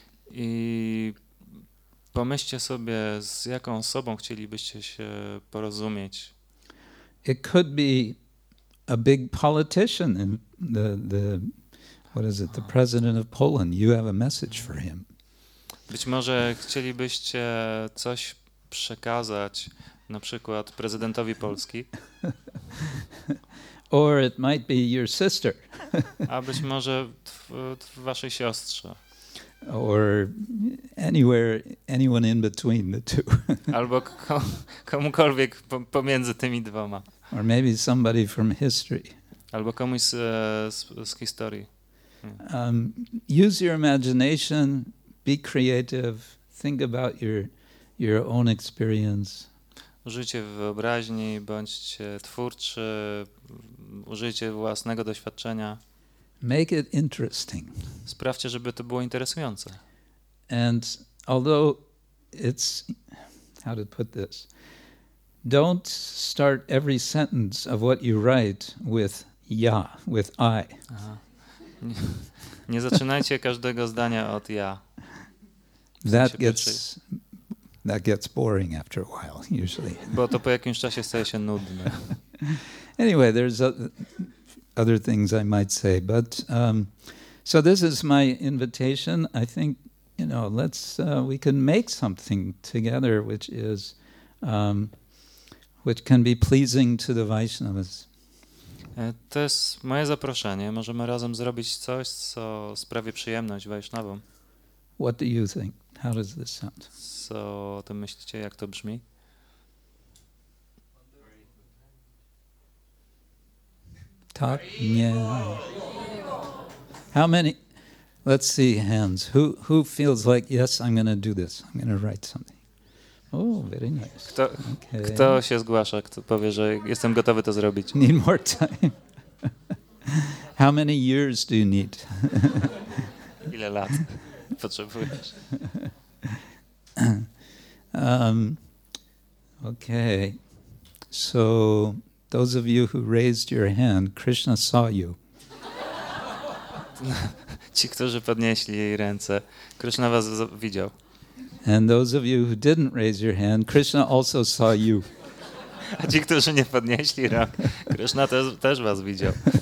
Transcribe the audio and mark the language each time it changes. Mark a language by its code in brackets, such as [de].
[pl] I pomyślcie sobie, z jaką osobą chcielibyście się porozumieć. [en] It could be a big politician in the president of Poland. You have a message for him. [pl] Być może chcielibyście coś przekazać, na przykład prezydentowi Polski. [en] Or it might be your sister. [pl] A być może waszej siostrze. [en] Or anyone in between the two. [pl] Albo komukolwiek pomiędzy tymi dwoma. [en] Or maybe somebody from history. [pl] Albo komuś z historii. [en] Use your imagination, be creative, think about your own experience. [pl] Użyjcie wyobraźni, bądźcie twórczy, użyjcie własnego doświadczenia. [en] Make it interesting. [pl] Sprawcie, żeby to było interesujące. [en] And although it's, how to put this, don't start every sentence of what you write with ja, with I. [pl] Nie zaczynajcie każdego zdania od ja. [en] That gets boring after a while, usually. [pl] Bo to po jakimś czasie staje się nudne. [en] Anyway, there's other things I might say, but so this is my invitation. I think, you know, we can make something together which is which can be pleasing to the Vaishnavas. [pl] To jest moje zaproszenie. Możemy razem zrobić coś, co sprawi przyjemność Vaishnavom. [en] What do you think? How does this sound? [pl] Co o tym myślicie? Jak to brzmi? Tak? Nie. [en] How many? Let's see hands. Who feels like, yes, I'm going to do this. I'm going to write something. Oh, very nice. [pl] Kto się zgłasza, kto powie, że jestem gotowy to zrobić? [en] Need more time. How many years do you need? [pl] Ile lat potrzebujesz? [en] Okay. So those of you who raised your hand, Krishna saw you. [pl] Ci, którzy podnieśli jej ręce, Krishna was widział. [en] And those of you who didn't raise your hand, Krishna also saw you. [pl] A ci, którzy nie podnieśli rąk, Krishna też was widział.